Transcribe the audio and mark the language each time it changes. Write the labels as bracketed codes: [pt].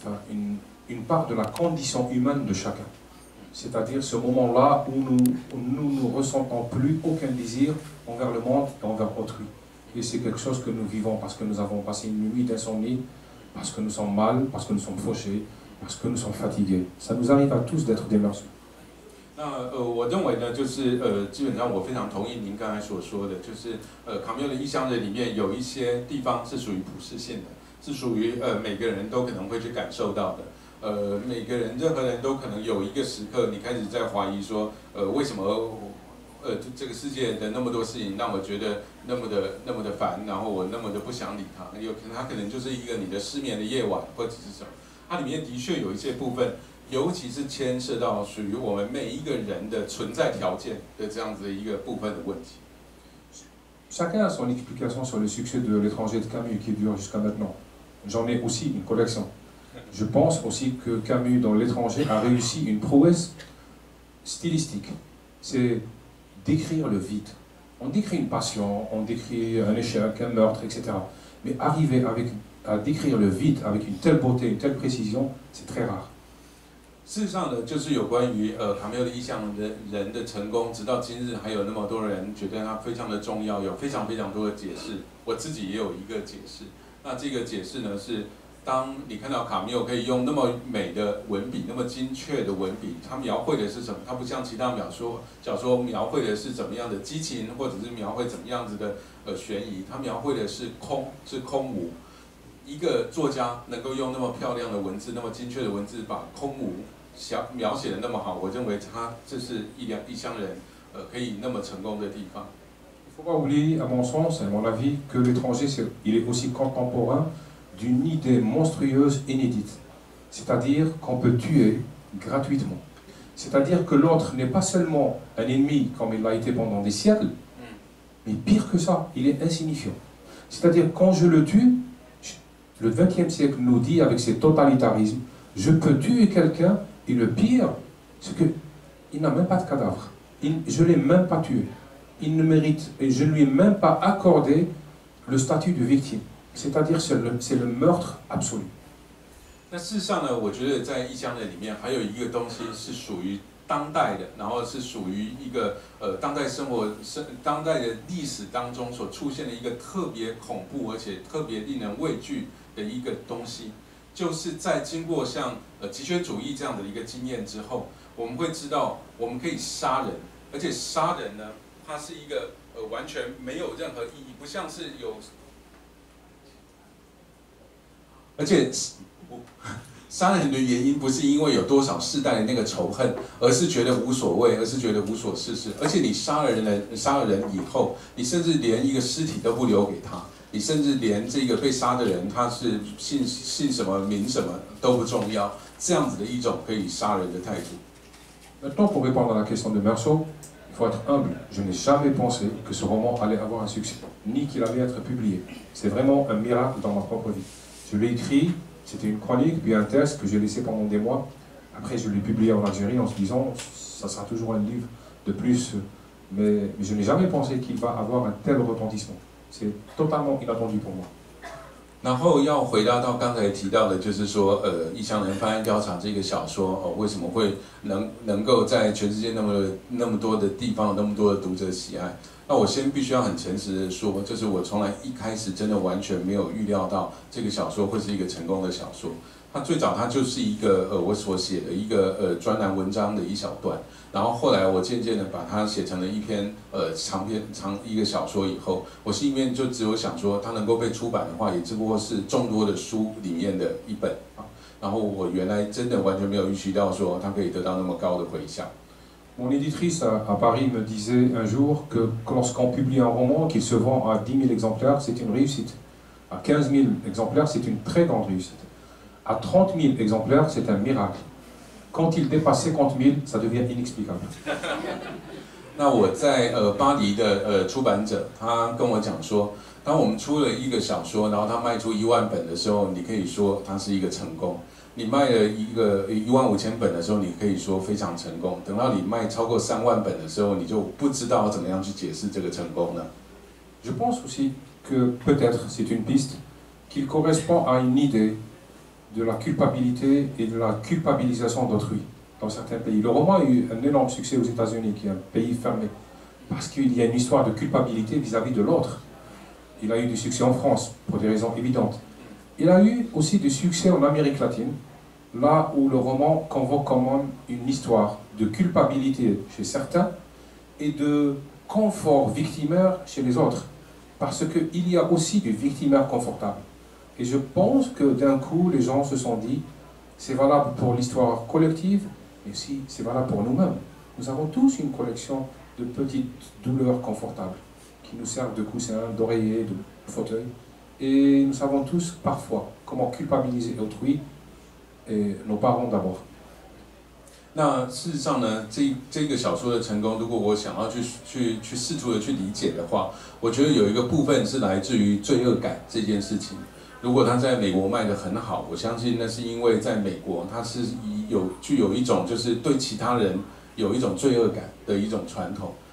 [fr] Une part de la condition humaine de chacun. C'est-à-dire ce moment-là où nous ne ressentons plus aucun désir envers le monde et envers autrui. Et c'est quelque chose que nous vivons parce que nous avons passé une nuit d'insomnie, parce que nous sommes mal, parce que nous sommes fauchés, parce que nous sommes fatigués. Ça nous arrive à tous d'être des morceaux. [zh] 那我认为呢，就是基本上我非常同意您刚才所说的，就是卡缪的《异乡人》里面有一些地方是属于普世性的。是属于每个人都可能会去感受到的，每个人任何人都可能有一个时刻，你开始在怀疑说，为什么这个世界的那么多事情让我觉得那么的烦，然后我那么的不想理他，有可能他可能就是一个你的失眠的夜晚或者是什么，它里面的确有一些部分，尤其是牵涉到属于我们每一个人的存在条件的这样子的一个部分的问题。 [fr] Chacun a son explication sur le succès de l'étranger de Camus qui dure jusqu'à maintenant. J'en ai aussi une collection. Je pense aussi que Camus dans l'étranger a réussi une prouesse stylistique. C'est décrire le vide. On décrit une passion, on décrit un échec, un meurtre, etc. Mais arriver à décrire le vide avec une telle beauté, une telle précision, c'est très rare. [zh] 事实上呢，就是有关于卡缪的《异乡人》的成功，直到今日还有那么多人觉得它非常的重要，有非常非常多的解释。我自己也有一个解释。那这个解释呢，是当你看到卡缪可以用那么美的文笔，那么精确的文笔，他描绘的是什么？他不像其他小说描绘的是怎么样的激情，或者是描绘怎么样子的悬疑，他描绘的是空，是空无。一个作家能够用那么漂亮的文字，那么精确的文字，把空无描写的那么好，我认为他这是异乡人，可以那么成功的地方。 [fr] Il ne faut pas oublier, à mon sens, à mon avis, que l'étranger, il est aussi contemporain d'une idée monstrueuse inédite, c'est-à-dire qu'on peut tuer gratuitement. C'est-à-dire que l'autre n'est pas seulement un ennemi comme il l'a été pendant des siècles, mais pire que ça, il est insignifiant. C'est-à-dire quand je le tue,Le XXe siècle nous dit avec ses totalitarismes, je peux tuer quelqu'un et le pire, c'est qu'il n'a même pas de cadavre. Je ne l'ai même pas tué. Il ne mérite et je ne lui ai même pas accordé le statut de victime. C'est-à-dire que c'est le meurtre absolu. [zh] 那事实上呢，我觉得在异乡人里面还有一个东西是属于当代的，然后是属于一个当代生活当代的历史当中所出现的一个特别恐怖而且特别令人畏惧的一个东西，就是在经过像极权主义这样的一个经验之后，我们会知道我们可以杀人，而且杀人呢，它是一个完全没有任何意义，不像是有，而且杀人的原因不是因为有多少世代的那个仇恨，而是觉得无所谓，而是觉得无所事事。而且你杀了人，杀了人以后，你甚至连一个尸体都不留给他，你甚至连这个被杀的人他是姓什么名什么都不重要，这样子的一种可以杀人的态度。 [fr] Maintenant, pour répondre à la question de Meursault, il faut être humble. Je n'ai jamais pensé que ce roman allait avoir un succès, ni qu'il allait être publié. C'est vraiment un miracle dans ma propre vie. Je l'ai écrit, c'était une chronique, puis un test que j'ai laissé pendant des mois. Après, je l'ai publié en Algérie en se disant, ça sera toujours un livre de plus. Mais je n'ai jamais pensé qu'il va avoir un tel retentissement. C'est totalement inattendu pour moi. [zh] 然后要回答到刚才提到的，就是说，异乡人翻案调查这个小说，为什么会能够在全世界那么多的地方，那么多的读者喜爱？那我先必须要很诚实的说，就是我从来一开始真的完全没有预料到这个小说会是一个成功的小说。它最早它就是一个我所写的一个专栏文章的一小段，然后后来我渐渐的把它写成了一篇长篇一个小说以后，我心里面就只有想说它能够被出版的话，也只不过是众多的书里面的一本啊。然后我原来真的完全没有预期到说它可以得到那么高的回响。 [fr] Mon éditrice à Paris me disait un jour que lorsqu'on publie un roman qui se vend à 10 000 exemplaires, c'est une réussite. À 15 000 exemplaires, c'est une très grande réussite. À 30 000 exemplaires, c'est un miracle. Quand il dépasse 50 000, ça devient inexplicable. [zh] 那我在巴黎的出版者，他跟我讲说，当我们出了一个小说，然后他卖出10,000本的时候，你可以说它是一个成功。你卖了15,000本的时候，你可以说非常成功。等到你卖超过30,000本的时候，你就不知道怎么样去解释这个成功了。 [fr] Je pense aussi que peut-être c'est une piste qui correspond à une idée de la culpabilité et de la culpabilisation d'autrui dans certains pays. Le roman a eu un énorme succès aux États-Unis, qui est un pays fermé, parce qu'il y a une histoire de culpabilité vis-à-vis de l'autre. Il a eu du succès en France pour des raisons évidentes. Il a eu aussi du succès en Amérique latine, là où le roman convoque quand même une histoire de culpabilité chez certains et de confort victimeur chez les autres, parce qu'il y a aussi du victimeur confortable. Et je pense que d'un coup, les gens se sont dit, c'est valable pour l'histoire collective, mais aussi c'est valable pour nous-mêmes. Nous avons tous une collection de petites douleurs confortables qui nous servent de coussins, d'oreillers, de fauteuils. Et nous savons tous parfois comment culpabiliser autrui et nos parents d'abord. [zh] 那事实上呢，这个小说的成功，如果我想要去试图的去理解的话，我觉得有一个部分是来自于罪恶感这件事情。如果他在美国卖得很好，我相信那是因为在美国他是具有一种就是对其他人有一种罪恶感的一种传统。